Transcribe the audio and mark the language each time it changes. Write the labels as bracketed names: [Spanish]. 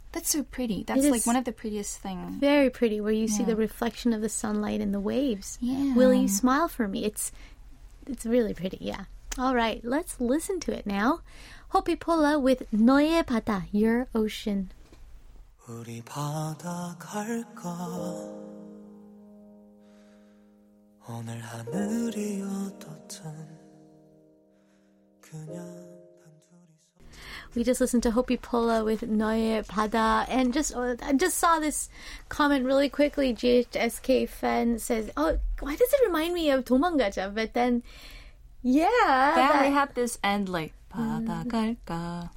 [English] That's so pretty. That's like one of the prettiest things. Very pretty, where you, yeah, see the reflection of the sunlight in the waves. Yeah. Will you smile for me? It's really pretty, yeah. All right, let's listen to it now. Hopi Pola with 너의 바다, Your Ocean. [Korean] 우리 바다 갈까 오늘 하늘이 어떻든 그냥 [English] We just listened to Hopi Pola with 너의 바다. And I just saw this comment really quickly. GHSK Fen says, oh, why does it remind me of 도망가자? But then, yeah. Yeah, they have this end like, [Korean] 바다 갈까?